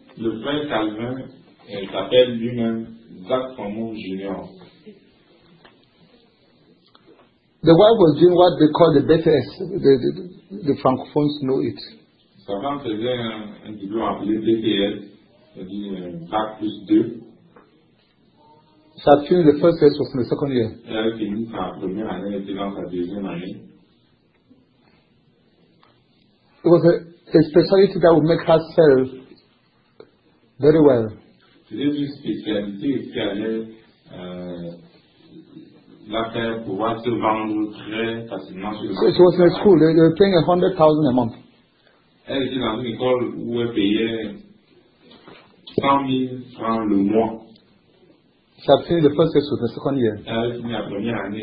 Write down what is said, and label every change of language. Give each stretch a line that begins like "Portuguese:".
French: Le frère Calvin s'appelle lui-même Zakfomo Junior.
English: The wife was doing what they call the BTS. The francophones know it.
French: Sa femme faisait un diplôme appelé BTS, c'est-à-dire Bac plus 2.
English: She had finished the first year, was in the second year.
French: Elle avait fini sa première année, elle était dans sa deuxième année.
English: It was a specialty that would make her sell very well.
French: C'était une spécialité qui allait la faire pouvoir se vendre très facilement sur le marché.
English: She was in a school, they were paying $100,000 a month.
French: Elle était dans une école où elle payait 100 000 francs le mois.
English: She had finished the first year, so the second year.